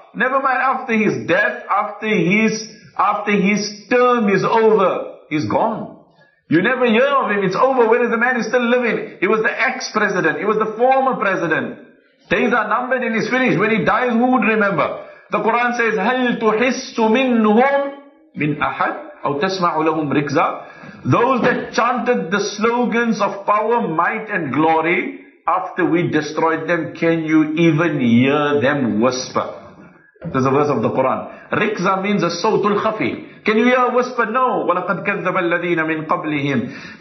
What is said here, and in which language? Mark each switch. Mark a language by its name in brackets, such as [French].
[English] Never mind, after his death, after his term is over, he's gone. You never hear of him, it's over. Where is the man? He's still living. He was the ex-president, he was the former president. Days are numbered and he's finished. When he dies, who would remember? [Arabic] The Quran says, هَلْ تُحِسُّ مِنْهُمْ مِنْ أَحَدٍ أَوْ تَسْمَعُ لَهُمْ رِكْزًا. [English] Those that chanted the slogans of power, might and glory, after we destroyed them, can you even hear them whisper? There's a verse of the Quran. Rikza means a [Arabic] sawtul khafi. [English] Can you hear a whisper? No. [Arabic] وَلَقَدْ كَذَّبَ الَّذِينَ مِنْ قَبْلِهِمْ.